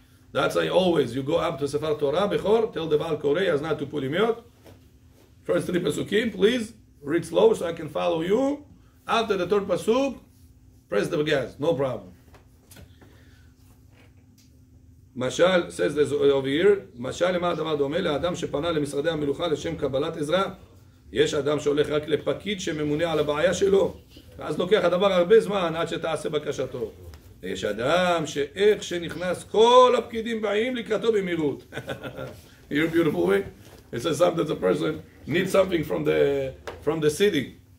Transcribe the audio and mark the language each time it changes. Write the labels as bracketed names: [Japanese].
[English] That's why always you go up to Sefer Torah b'chor, tell the Baal Koreh has not to pull him out. First three pesukim, please read slow so I can follow you. After the third pasuk, press the gas, no problem. Mashal says this over here. [Hebrew] Mashal ema adamah domeh le'adam shepana le'misradei ha'milucha l'shem kabbalat ezra. יש אדם שהולך רק לפקיד שממונה על הבעיה שלו, ואז לוקח הדבר הרבה זמן עד שתעשה בקשתו. יש אדם שאיך שנכנס כל הפקידים באים לקראתו במהירות. [English] You're beautiful way. It says something that the person needs something from the city.